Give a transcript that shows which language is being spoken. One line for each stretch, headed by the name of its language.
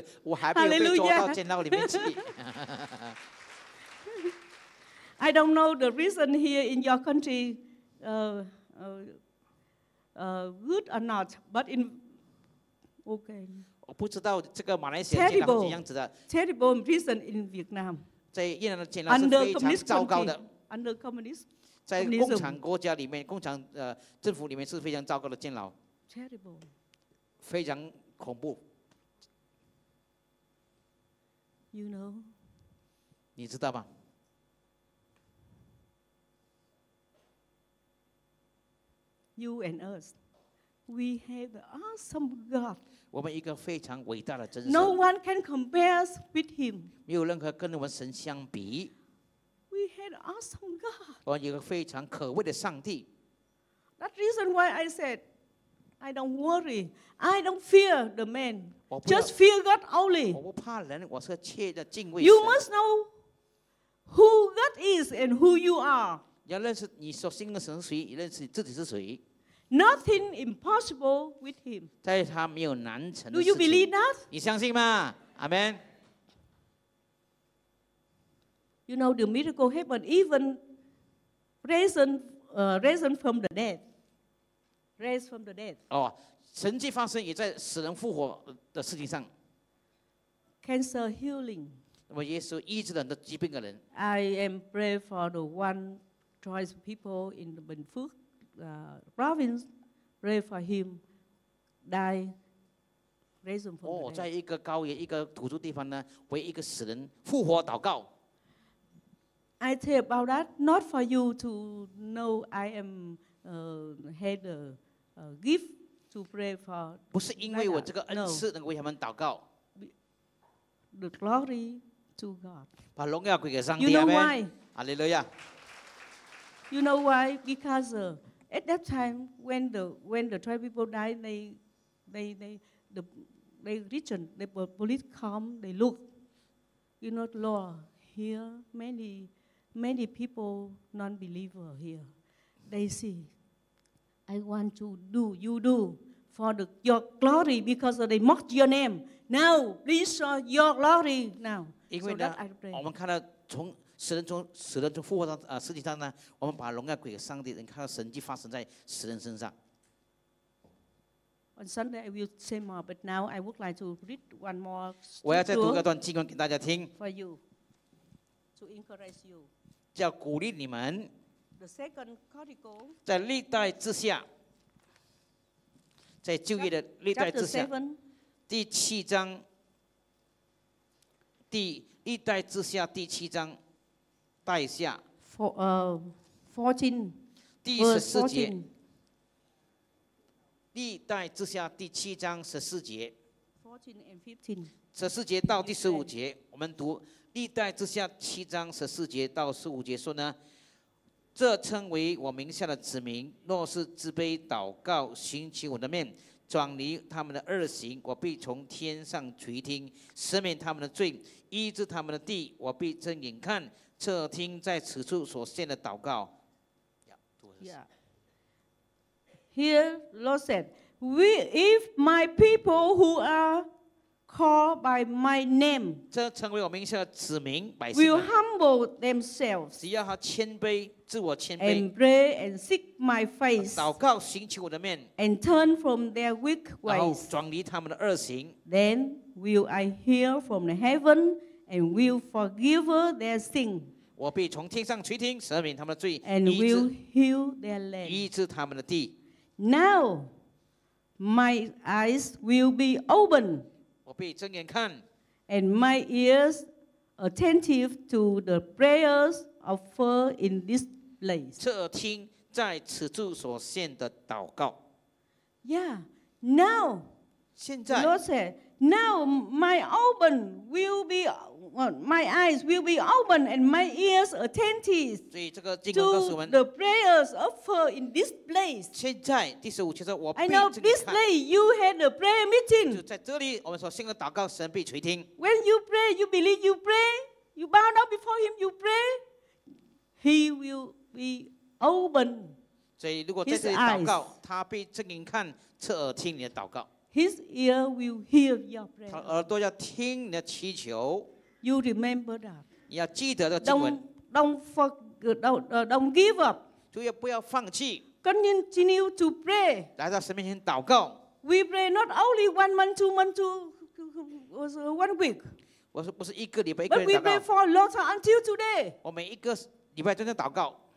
Chinese: 到今天为止，我还没有被抓到监牢里面去。
English: I don't know the reason here in your country, good or not, but in okay.
Chinese: 我不知道这个马来西亚监牢是怎样子的。
English: Terrible prison in Vietnam.
Chinese: 在越南的监牢是非常糟糕的。
English: Under communist.
Chinese: 在共产国家里面，共产政府里面是非常糟糕的监牢。
English: Terrible.
Chinese: 非常恐怖。
English: You know.
Chinese: 你知道吗？
English: You and us, we have an awesome God.
Chinese: 我们一个非常伟大的真神。
English: No one can compare with him.
Chinese: 没有任何跟我们神相比。
English: We have an awesome God.
Chinese: 我们一个非常可畏的上帝。
English: That's reason why I said, I don't worry. I don't fear the man. Just fear God only.
Chinese: 我不怕人，我是切的敬畏。
English: You must know who God is and who you are.
Chinese: 要认识你所信的神是谁，也认识你自己是谁。
English: Nothing impossible with him.
Chinese: 在他没有难成的事情。
English: Do you believe that?
Chinese: 你相信吗？Amen.
English: You know the miracle happened even risen from the dead. Raised from the dead.
Chinese: 哦，神迹发生也在死人复活的事情上。
English: Cancer healing.
Chinese: 那么耶稣医治了很多疾病的人。
English: I am pray for the one choice people in the Bình Phước province. Pray for him. Die. Raised from the dead.
Chinese: 哦，在一个高原一个土著地方呢，为一个死人复活祷告。
English: I tell about that not for you to know. I am had a gift to pray for.
Chinese: 不是因为我这个恩赐能够为他们祷告。
English: The glory to God.
Chinese: 把荣耀归给上帝。
English: You know why? Hallelujah. You know why? Because at that time when the twelve people died, they region the police come, they look. You know, Lord, here many people non-believer here. They see. I want to do, you do, for the, your glory, because they mocked your name. Now, please show your glory now. Because so we see that from the dead, from the dead, from the dead, we see the miracle in the dead. On Sunday, I will say more, but now I would like to read one more scripture.
Chinese: 我要再读一段经文给大家听。
English: For you, to encourage you.
Chinese: 叫鼓励你们。
English: The second chronicle.
Chinese: 在历代之下。在旧约的历代之下，第七章第历代志下第七章带下 14 第十四节历代志下第七章十四节
English: 14 and 15
Chinese: 十四节到第十五节，我们读历代志下七章十四节到十五节说呢，这称为我名下的子民，若是自卑祷告，寻求我的面，转离他们的恶行，我必从天上垂听，赦免他们的罪，医治他们的地，我必睁眼看，侧听在此处所献的祷告。
English: Here, Lord said, "We, if my people who are called by my name,
Chinese: 这成为我名下的子民百姓
English: will humble themselves,
Chinese: 只要他谦卑，自我谦卑
English: and pray and seek my face,
Chinese: 祷告寻求我的面
English: and turn from their weak ways,
Chinese: 然后转离他们的恶行
English: then will I hear from the heaven and will forgive their sin,
Chinese: 我必从天上垂听，赦免他们的罪
English: and will heal their land,
Chinese: 医治他们的地
English: Now my eyes will be open.
Chinese: 闭睁眼看
English: and my ears attentive to the prayers offered in this place.
Chinese: 侧听在此处所献的祷告
English: Yeah, now,
Chinese: 现在
English: Lord said, now my eyes will be open and my ears attentive
Chinese: 所以这个经文告诉我们
English: to the prayers offered in this place.
Chinese: 现在第十五节说我必
English: I know this place you had a prayer meeting.
Chinese: 就在这里我们所信的祷告神必垂听
English: When you pray, you believe you pray, you bow down before him, you pray, he will be open his eyes.
Chinese: 所以如果在这里祷告他必睁眼看侧耳听你的祷告
English: His ear will hear your prayer.
Chinese: 他耳朵要听你的祈求
English: You remember that.
Chinese: 你要记得这经文。
English: Don't give up.
Chinese: 就要不要放弃。
English: Continue to pray.
Chinese: 来到神面前祷告。
English: We pray not only one week.
Chinese: 我说不是一个礼拜一个人祷告。
English: But we pray for a long time until today.
Chinese: 我每一个礼拜真正祷告。